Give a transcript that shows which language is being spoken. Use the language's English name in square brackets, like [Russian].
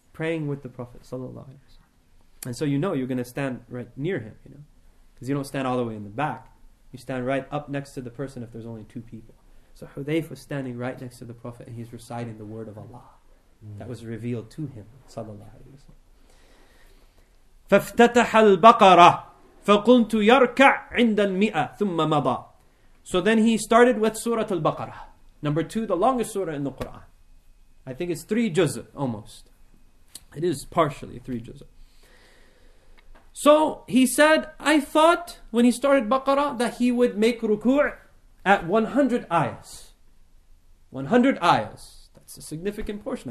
[English] Praying with the Prophet sallallahu alayhi wa sallam. And so you know you're going to stand right near him, you know. Because you don't stand all the way in the back. You stand right up next to the person if there's only two people. So Hudhayfa was standing right next to the Prophet and he's reciting the word of Allah that was revealed to him sallallahu alayhi wa sallam. [Arabic] فَافْتَتَحَ الْبَقَرَةِ فَقُلْتُ يَرْكَعْ عِنْدَ الْمِئَةِ ثُمَّ مَضَى [English] So then he started with Surah Al-Baqarah. Number two, the longest surah in the Quran. I think it's three juz, almost. It is partially three juz. So he said, I thought when he started Baqarah that he would make ruku' at 100 ayahs. 100 ayahs. That's a significant portion.